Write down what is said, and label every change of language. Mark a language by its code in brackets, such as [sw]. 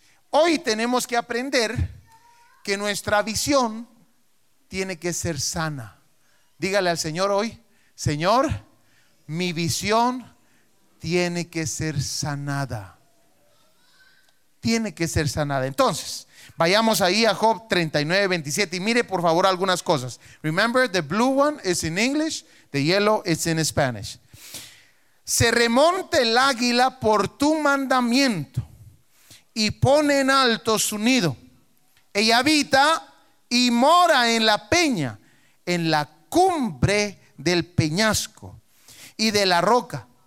[es] Hoy tenemos que aprender que nuestra visión tiene que ser sana. Dígale al Señor hoy: Señor, mi visión tiene que ser sanada. Tiene que ser sanada. Entonces, vayamos ahí a Job 39, 27 y mire por favor algunas cosas. [en] Remember, the blue one is in English, the yellow is in Spanish. [es] Se remonta el águila por tu mandamiento y pone en alto su nido. Ella habita y mora en la peña, en la cumbre del peñasco y de la roca.